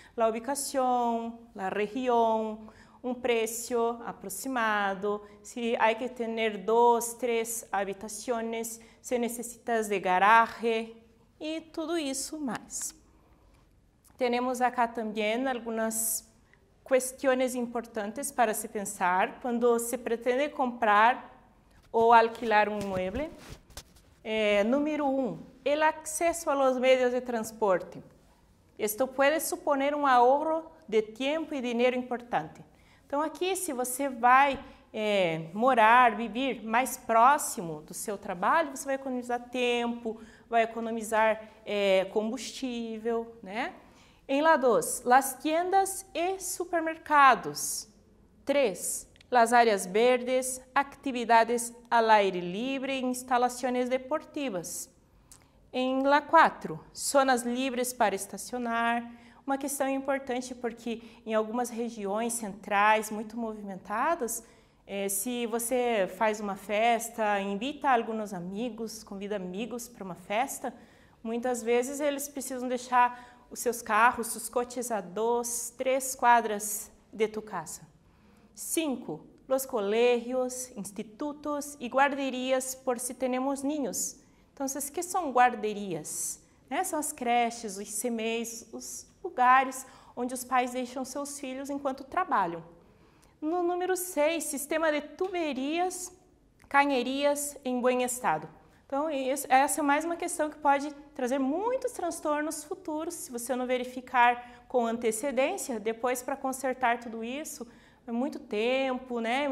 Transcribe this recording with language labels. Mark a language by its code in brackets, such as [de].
[es] La ubicación, la región, um preço aproximado, se hay que tener 2, 3 habitaciones, se necesitas de garaje e tudo isso mais. [pt] Temos acá também algumas questões importantes para se pensar quando se pretende comprar ou alquilar um imóvel. [es] Número 1, el acceso a los medios de transporte. Esto puede suponer un ahorro de tiempo y dinero importante. [pt] Então aqui, se você vai morar, viver mais próximo do seu trabalho, você vai economizar tempo, vai economizar combustível, né? [es] Em la 2, las tiendas e supermercados. 3, las áreas verdes, actividades al aire libre e instalaciones deportivas. Em la 4, zonas libres para estacionar. [pt] Uma questão importante porque em algumas regiões centrais muito movimentadas, se você faz uma festa, invita alguns amigos, convida amigos para uma festa, muitas vezes eles precisam deixar os seus carros, os coches a 2, 3 quadras de tua casa. 5. [es] Los colegios, institutos e guarderias por si tenemos niños. [pt] Então, o que são guarderias? São as creches, os CMEs, os lugares onde os pais deixam seus filhos enquanto trabalham. [es] No número 6, sistema de tuberias, canherias em bom estado. [pt] Então, essa é mais uma questão que pode trazer muitos transtornos futuros, se você não verificar com antecedência, depois para consertar tudo isso, é muito tempo, né?